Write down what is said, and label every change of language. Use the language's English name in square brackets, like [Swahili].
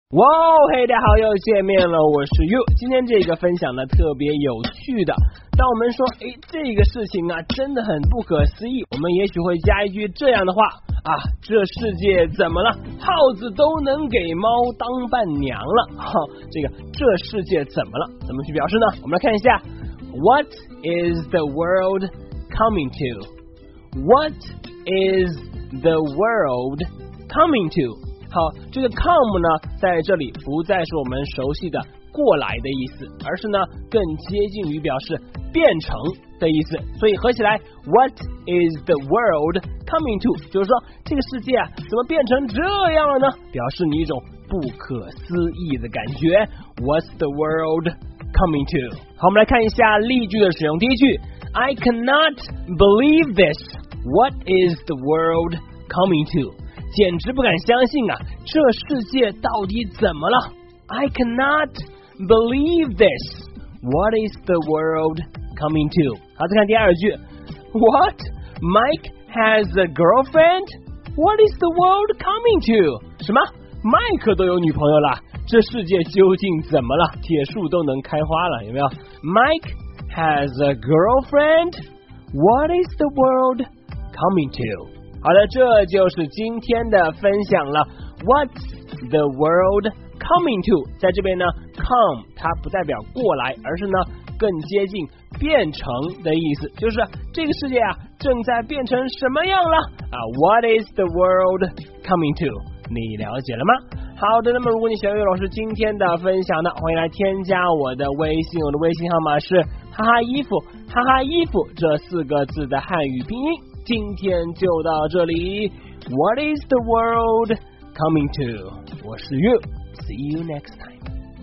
[Chinese] 哇哦，嘿，大家好，又见面了，我是 You。今天这个分享呢特别有趣的，当我们说哎这个事情啊真的很不可思议，我们也许会加一句这样的话啊，这世界怎么了，耗子都能给猫当伴娘了，这个这世界怎么了，怎么去表示呢？我们来看一下 [English] What is the world coming to? What is the world coming to? [Chinese] 好，这个 come 呢在这里不再是我们熟悉的过来的意思，而是呢更接近于表示变成的意思，所以合起来 [English] What is the world coming to? [Chinese] 就是说这个世界啊怎么变成这样了呢，表示你一种不可思议的感觉。 [English] What's the world coming to? [Chinese] 好，我们来看一下例句的使用。第一句 [English] I cannot believe this. What is the world coming to? [Chinese] 简直不敢相信啊，这世界到底怎么了？ [English] I cannot believe this. What is the world coming to? [Chinese] 好，再看第二句。 [English] What? Mike has a girlfriend? What is the world coming to? [Chinese] 什么？ Mike 都有女朋友了，这世界究竟怎么了？铁树都能开花了，有没有？ [English] Mike has a girlfriend? What is the world coming to? [Chinese] 好的，这就是今天的分享了。 [English] What's the world coming to? [Chinese] 在这边呢 come 它不代表过来，而是呢更接近变成的意思，就是这个世界啊正在变成什么样了啊。 [English] What is the world coming to? [Chinese] 你了解了吗？好的，那么如果你喜欢岳老师今天的分享呢，欢迎来添加我的微信，我的微信号码是哈哈衣服，哈哈衣服这四个字的汉语拼音。今天就到这里。 [English] What is the world coming to? [Chinese] 我是 [English] You. See you next time.